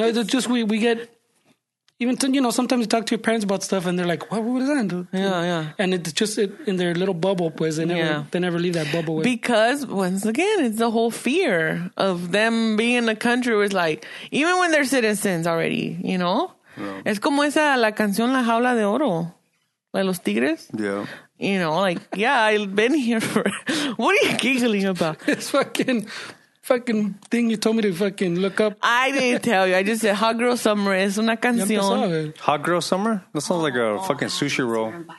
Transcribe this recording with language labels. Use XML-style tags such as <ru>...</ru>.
<en>It's just we get, even, to, you know, sometimes you talk to your parents about stuff and they're like, what is that? Yeah. And it's just in their little bubble, pues. They never leave that bubble. Because, once again, it's the whole fear of them being in a country where it's like, even when they're citizens already, you know. Yeah.</en> <es>Es como esa la canción, La Jaula de Oro.</es> <en>Like Los Tigres? Yeah. You know, like, yeah, I've been here for... What are you giggling about? This fucking thing you told me to fucking look up. I didn't tell you. I just said Hot Girl Summer is</en> <es>una canción.</es> <en>Hot Girl Summer? That sounds like a fucking sushi roll.</en>